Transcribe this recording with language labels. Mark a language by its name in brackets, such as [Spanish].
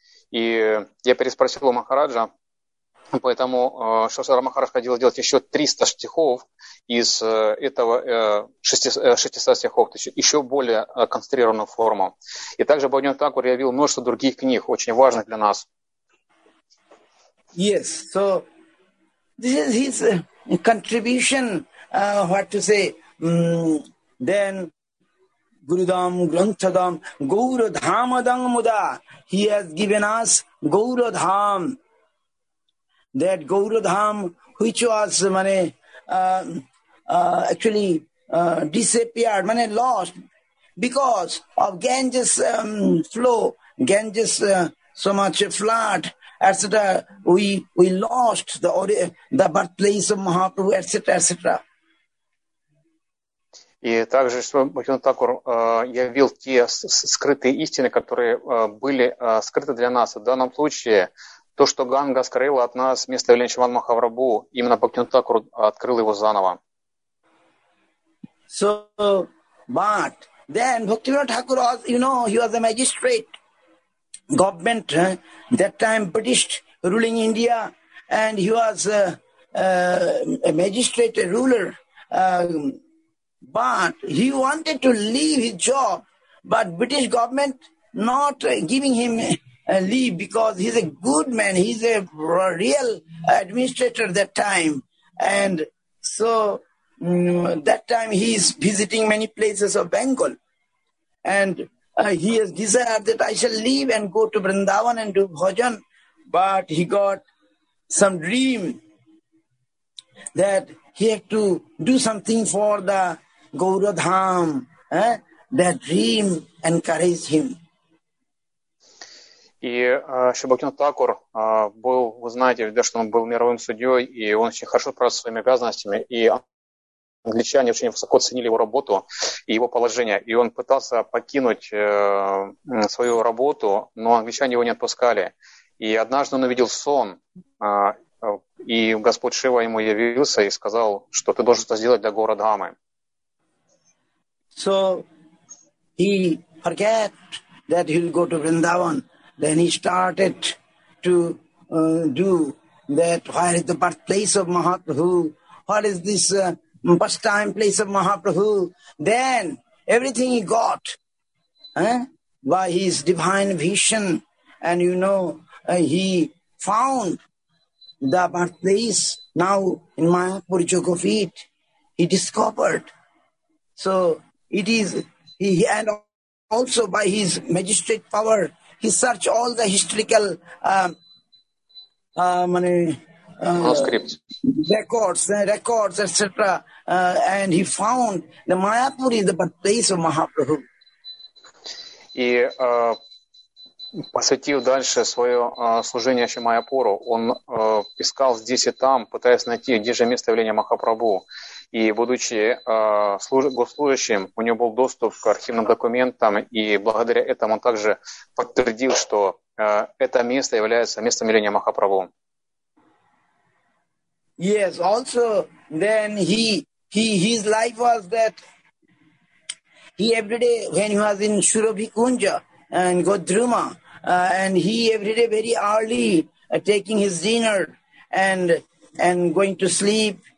[Russian] И я переспросил у Махараджа, поэтому Шрила Махарадж хотел сделать еще 300 стихов из этого 600 стихов, то есть еще более концентрированную форму. И также Бхактивинода Тхакур явил множество других книг, очень важных для нас. [English] Yes, so this is his contribution, what to say. Then Gurudham, Granthadham, Gaurudhamadang Muda, he has given us Gaurudham. That Gaurudham, which was disappeared, lost because of Ganges flow, Ganges so much flood, etc. We lost the birthplace of Mahaprabhu, etc., etc. И также Бхактивинода Тхакур явил те скрытые истины, которые были скрыты для нас. В данном случае то, что Ганга скрыла от нас место величия Махапрабху, именно Бхактивинода Тхакур открыл его заново. So, but then Bhaktivinoda Thakur, you know, he was a magistrate. Government, that time British ruling India, and he was a magistrate, a ruler. But he wanted to leave his job, but British government not giving him a leave because he's a good man. He's a real administrator that time. And so that time he's visiting many places of Bengal. And he has desired that I shall leave and go to Vrindavan and do bhajan. But he got some dream that he had to do something for the Gauradham. That dream encouraged him. [Russian] И Шабактина Такур был, вы знаете, что он был мировым судьей, и он очень хорошо справился со своими обязанностями, и англичане очень высоко ценили его работу и его положение. И он пытался покинуть свою работу, но англичане его не отпускали. И однажды он увидел сон, и Господь Шива ему явился и сказал, что ты должен это сделать для города Амы. [English] So he forget that he'll go to Vrindavan. Then he started to do that. Where is the birthplace of Mahaprabhu? What is this pastime place of Mahaprabhu? Then everything he got by his divine vision. And you know, he found the birthplace now in Mayapur Jogavit. He discovered. So it is, he and also by his magistrate power, he searched all the historical manuscripts, records, etc. And he found the Mayapur is the place of Mahaprabhu. [Russian] И посвятив дальше свое служение еще Майяпуру, он искал здесь и там, пытаясь найти, где же место явления Махапрабху. И будучи госслужащим, у него был доступ к архивным документам, и благодаря этому он также подтвердил, что это место является местом явления Махапрабху. [English] Yes, also then he his life was that he every day when he was in Surabhi Kunja and Godruma, and he every day very early taking his dinner and going to sleep.